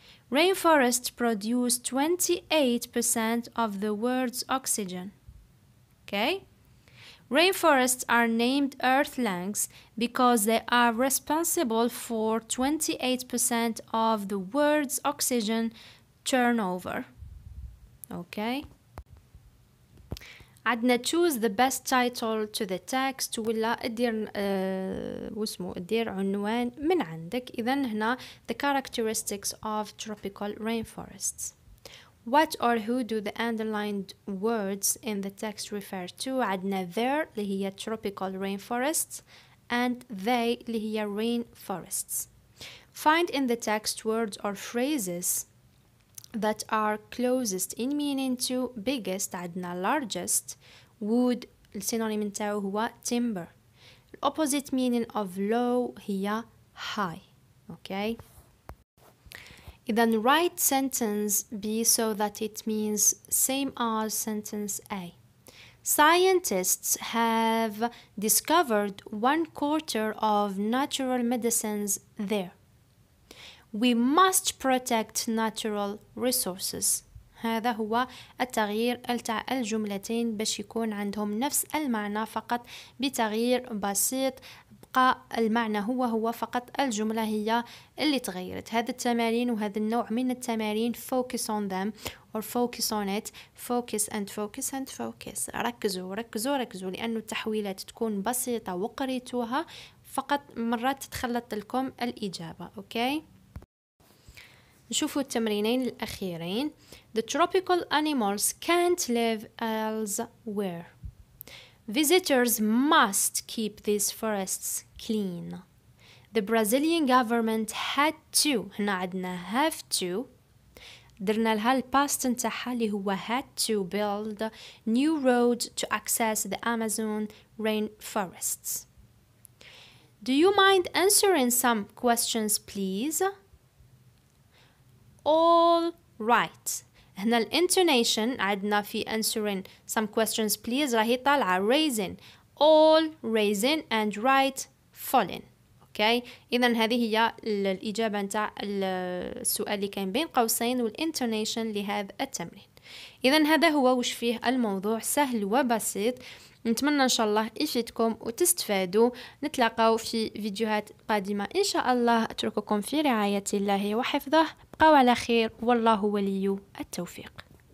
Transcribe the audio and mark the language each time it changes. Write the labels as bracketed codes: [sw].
[en] Rainforests produce 28% of the world's oxygen. Okay? Rainforests are named earthlings because they are responsible for 28% of the world's oxygen turnover. Okay. [ar] عندنا [en] choose the best title to the text [ar] ولا ادير واسمو ادير عنوان من عندك. إذن هنا [en] the characteristics of tropical rainforests. What or who do the underlined words in the text refer to? [ar] عندنا [en] there [ar] اللي هي [en] tropical rainforests and they اللي هي rainforests. Find in the text words or phrases that are closest in meaning to biggest, [ar] عدنا [en] largest, wood, synonym نتاعو هو timber. The opposite meaning of low [ar] هي [en] high. Okay. Then write sentence B so that it means same as sentence A. Scientists have discovered 1/4 of natural medicines there. We must protect natural resources. [ar] هذا هو التغيير تاع الجملتين باش يكون عندهم نفس المعنى فقط بتغيير بسيط. بقى المعنى هو هو فقط الجملة هي اللي تغيرت. هذا التمارين وهذا النوع من التمارين [en] focus on them or focus on it. Focus and focus and focus. [ar] ركزوا ركزوا ركزوا لأنه التحويلات تكون بسيطة وقريتوها فقط مرات تتخلط لكم الإجابة. أوكي؟ نشوفوا التمرينين الأخيرين. [en] The tropical animals can't live elsewhere. Visitors must keep these forests clean. The Brazilian government had to. [ar] هنا عدنا [en] have to. [ar] درنا لها الباست نتاعها اللي هو [en] had to build new roads to access the Amazon rainforests. Do you mind answering some questions, please? All right. [ar] هنا الانتونيشن عدنا في [en] answering some questions please [ar] راهي طالعة raising. [en] All raising and right falling. Okay. [ar] إذن هذه هي الإجابة نتاع السؤال اللي كان بين قوسين والانتونيشن لهذا التمرين. إذن هذا هو وش فيه الموضوع سهل وبسيط. نتمنى إن شاء الله يفيدكم وتستفادوا. نتلاقوا في فيديوهات قادمة إن شاء الله. أترككم في رعاية الله وحفظه. بقوا على خير والله ولي التوفيق.